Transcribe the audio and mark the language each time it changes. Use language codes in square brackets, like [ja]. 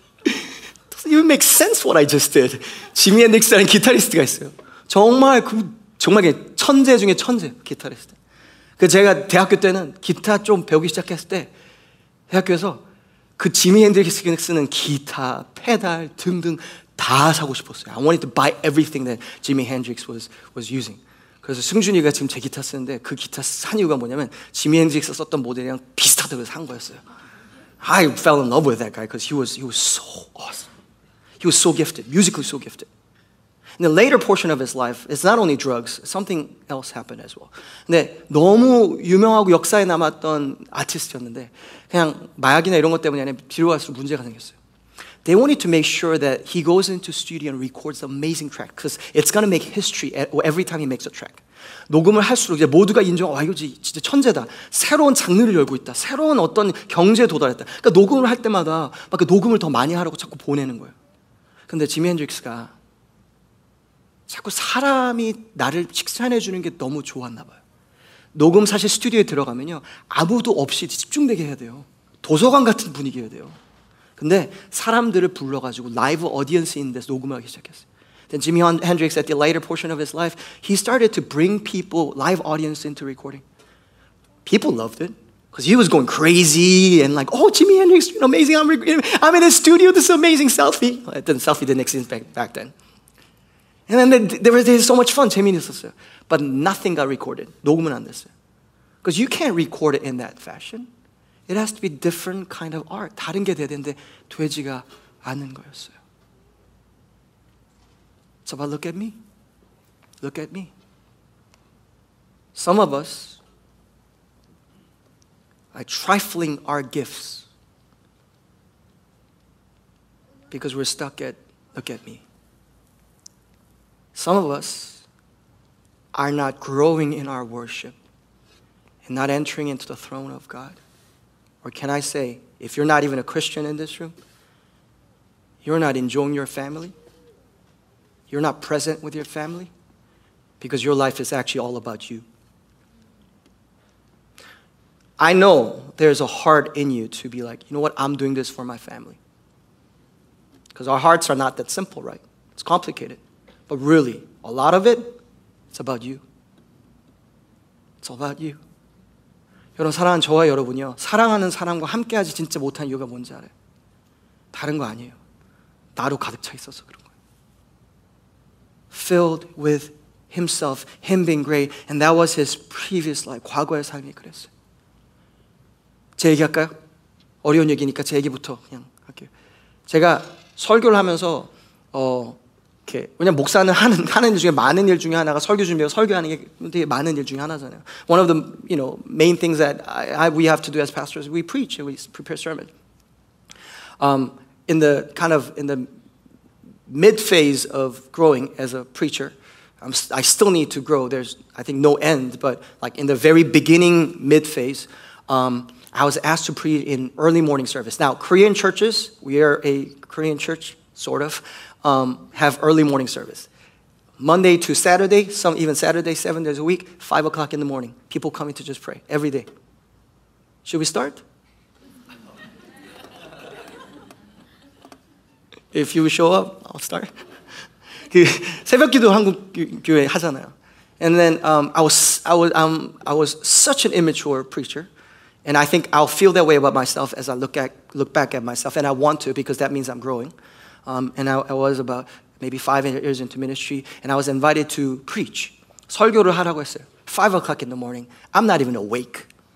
[en] Doesn't even make sense what I just did. [ko] Jimi Hendrix라는 기타리스트가 있어요. 정말, 그, 정말 그냥 천재 중에 천재, 기타리스트. 그 제가 대학교 때는 기타 좀 배우기 시작했을 때 대학교에서 그 지미 핸드릭스가 쓰는 기타, 페달 등등 다 사고 싶었어요. [en] I wanted to buy everything that Jimi Hendrix was using. [ko] 그래서 승준이가 지금 제 기타 쓰는데 그 기타 산 이유가 뭐냐면 지미 핸드릭스 썼던 모델이랑 비슷하다고 해서 산 거였어요. [en] I fell in love with that guy because he was so awesome. He was so gifted, musically so gifted. In the later portion of his life, it's not only drugs, something else happened as well. [ko] 근데 너무 유명하고 역사에 남았던 아티스트였는데 그냥 마약이나 이런 것 때문에 뒤로 갈수록 문제가 생겼어요. [en] They wanted to make sure that he goes into studio and records amazing track because it's going to make history every time he makes a track. [ko] 녹음을 할수록 이제 모두가 인정하고 이거 진짜 천재다. 새로운 장르를 열고 있다. 새로운 어떤 경제에 도달했다. 그러니까 녹음을 할 때마다 막 그 녹음을 더 많이 하라고 자꾸 보내는 거예요. 근데 지미 핸드릭스가 자꾸 사람이 나를 칭찬해 주는 게 너무 좋았나 봐요. 녹음 사실 스튜디오에 들어가면요, 아무도 없이 집중되게 해야 돼요. 도서관 같은 분위기여야 돼요. 근데 사람들을 불러가지고 라이브 어디언스 있는 데서 녹음하기 시작했어요. [en] Then Jimi Hendrix at the later portion of his life, he started to bring people, live audience into recording. People loved it because he was going crazy and like, oh, Jimi Hendrix, you know, amazing. I'm in a studio, this amazing selfie. Well, then selfie didn't exist back then. And then there was so much fun, [ko] 재미있었어요. [en] But nothing got recorded, [ko] 녹음은 안 됐어요. [en] Because you can't record it in that fashion. It has to be different kind of art. [ko] 다른 게 돼야 되는데 되지가 않은 거였어요. [en] So, but look at me. Look at me. Some of us are trifling our gifts because we're stuck at, look at me. Some of us are not growing in our worship and not entering into the throne of God. Or can I say, if you're not even a Christian in this room, you're not enjoying your family, you're not present with your family because your life is actually all about you. I know there's a heart in you to be like, you know what, I'm doing this for my family. Because our hearts are not that simple, right? It's complicated. But really, a lot of it, it's about you. It's all about you. [ko] 여러분, 사랑하는 저와 여러분이요. 사랑하는 사람과 함께하지 진짜 못한 이유가 뭔지 알아요? 다른 거 아니에요. 나로 가득 차 있어서 그런 거예요. [en] Filled with himself, him being great, and that was his previous life. [ko] 과거의 삶이 그랬어요. 제 얘기할까요? 어려운 얘기니까 제 얘기부터 그냥 할게요. 제가 설교를 하면서 이렇게 왜냐면 목사는 하는 일 중에 많은 일 중에 하나가 설교 준비하고 설교하는 게 되게 많은 일 중에 하나잖아요. [en] One of the you know main things that we have to do as pastors, we preach, we prepare sermon. In the mid-phase of growing as a preacher, I still need to grow. There's, I think, no end, but like in the very beginning mid-phase, I was asked to preach in early morning service. Now, Korean churches, we are a Korean church, sort of, have early morning service. Monday to Saturday, some even Saturday, 7 days a week, 5 o'clock in the morning, people coming to just pray every day. Should we start? If you show up, I'll start. [ko] 그 새벽 기도 한국 교회 하잖아요. [en] And then I was such an immature preacher, and I think I'll feel that way about myself as I look back at myself, and I want to because that means I'm growing. And I was about maybe 5 years into ministry, and I was invited to preach. [ko] 설교를 하라고 했어요. [en] 5 o'clock in the morning. I'm not even awake.